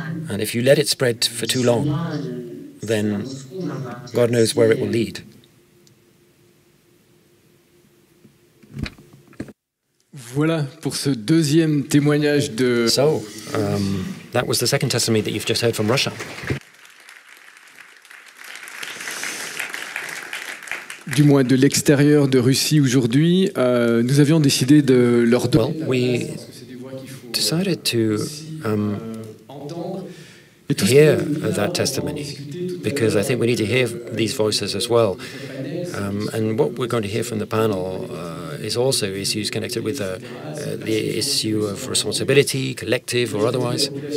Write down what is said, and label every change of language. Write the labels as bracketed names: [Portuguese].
[English] And if you let it spread for too long, then God knows where it will lead. [French] Voilà pour ce deuxième témoignage de. [English] So, that was the second testimony that you've just heard from Russia. [French] Du moins de l'extérieur de Russie aujourd'hui, nous avions décidé de leur donner. [English] Well, we decided to hear that testimony because I think we need to hear these voices as well. And what we're going to hear from the panel is also issues connected with the issue of responsibility, collective or otherwise.